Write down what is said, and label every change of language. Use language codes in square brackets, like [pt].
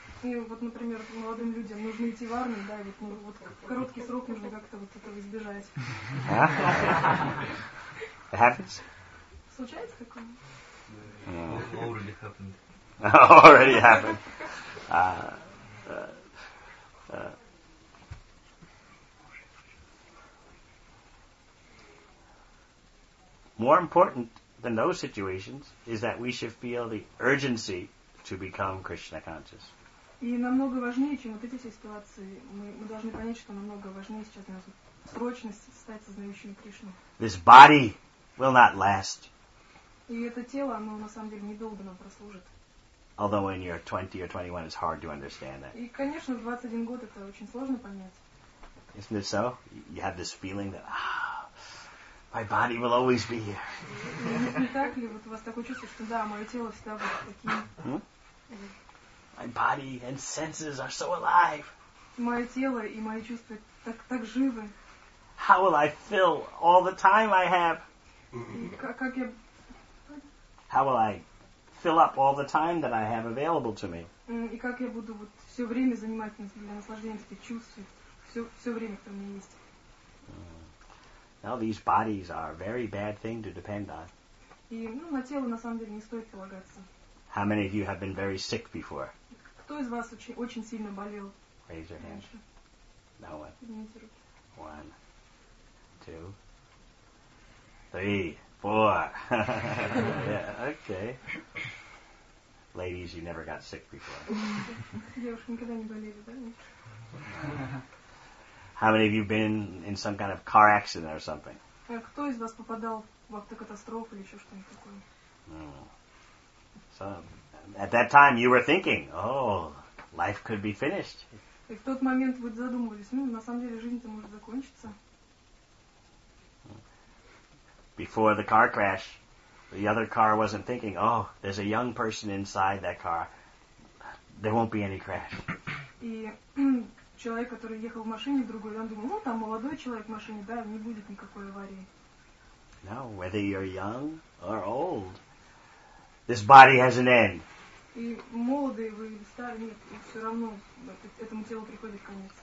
[ru] И вот, например, молодым людям нужно идти в армию, да, ведь ну вот короткий срок нужно как-то вот этого избежать. [en] It happens. [ru] Случается такое? [en] Already happened. Already happened. More important than those situations is that we should feel the urgency to become Krishna conscious. [ru] И намного важнее, чем вот эти все ситуации, мы должны понять, что намного важнее сейчас для нас срочность стать сознающим Кришну. [en] This body will not last. [ru] И это тело, оно на самом деле недолго нам прослужит. [en] Although when you're 20 or 21, it's hard to understand that. [ru] И, конечно, 21 год это очень сложно понять. [en] Isn't it so? You have this feeling that, my body will always be here. [ru] Не так ли? Вот у вас такое чувство, что да, мое тело всегда будет таким. [en] My body and senses are so alive. [ru] Мое тело и мои чувства так живы. [en] How will I fill all the time I have? [ru] Как я... [en] How will I fill up all the time that I have available to me? [ru] И как я буду вот все время заниматься для наслаждения этих чувств, все время, которое у меня есть. [en] Now these bodies are a very bad thing to depend on. [ru] И ну на тело на самом деле не стоит полагаться. [en] How many of you have been very sick before? [ru] Кто из вас очень сильно болел? [en] Raise your hand. No one. One, two, three, four. Yeah, okay. Ladies, you never got sick before. [ru] Девушки никогда не болели, да? [en] How many of you been in some kind of car accident or something? [ru] Кто из вас попадал в автокатастрофу или еще что-нибудь такое? [en] So, at that time you were thinking, oh, life could be finished. [ru] И в тот момент вы задумывались, ну, на самом деле жизнь-то может закончиться. [en] Before the car crash, the other car wasn't thinking, oh, there's a young person inside that car. There won't be any crash. [ru] И человек, который ехал в машине другой, он думал, ну, там молодой человек в машине, да, не будет никакой аварии. [en] No, whether you're young or old, this body has an end. [ru] И молодые вы, старые, нет, и все равно этому телу приходит конец.